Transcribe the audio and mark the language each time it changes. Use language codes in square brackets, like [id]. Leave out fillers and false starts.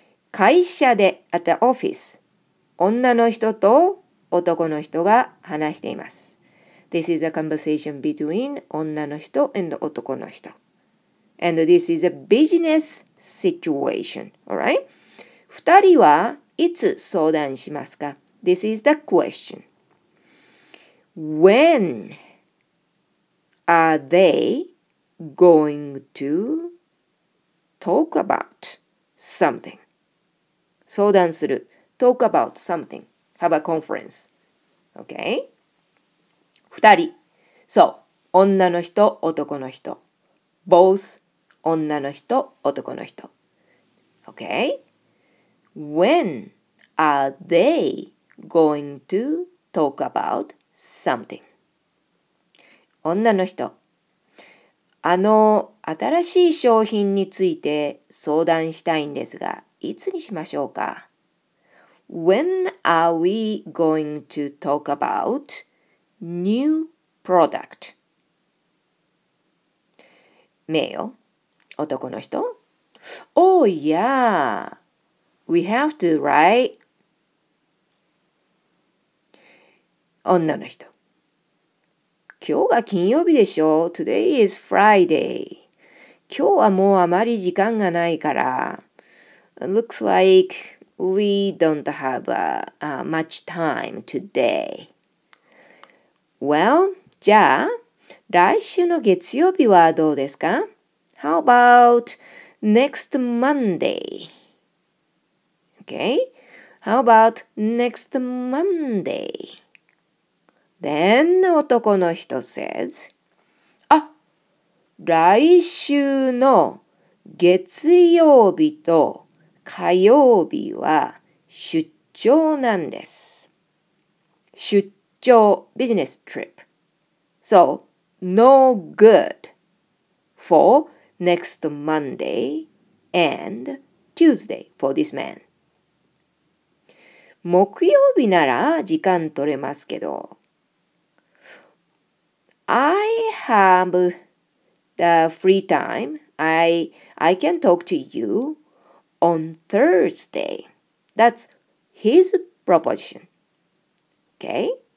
[ja] 会社で、 at the office, 女の人と男の人が話しています。 [en] This is a conversation between 女の人 and 男の人。 And this is a business situation. Alright? [ja] 二人はいつ相談しますか？ [en] This is the question. When are they going to talk about something? 相談する。 Talk about something. Have a conference. Okay? 二人。 So, 女の人、男の人。Both 女の人、男の人。Okay? When are they going to talk about something. [ja] 女の人、あの新しい商品について相談したいんですが、いつにしましょうか？ [en] When are we going to talk about new product? Male, 男の人、 Oh yeah, we have to, right? [ja] 女の人、今日が金曜日でしょう。 [en] Today is Friday. [ja] 今日はもうあまり時間がないから。 [en] Looks like we don't have much time today. [ja] Well, じゃあ、来週の月曜日はどうですか？ [en] How about next Monday? Okay? How about next Monday? [ja] Then, 男の人 says, あ、来週の月曜日と火曜日は出張なんです。 [en] 出張、business trip. So, no good for next Monday and Tuesday for this man. [ja] 木曜日なら時間取れますけど、 [en] I have the free time. I can talk to you on Thursday. That's his proposition. Okay?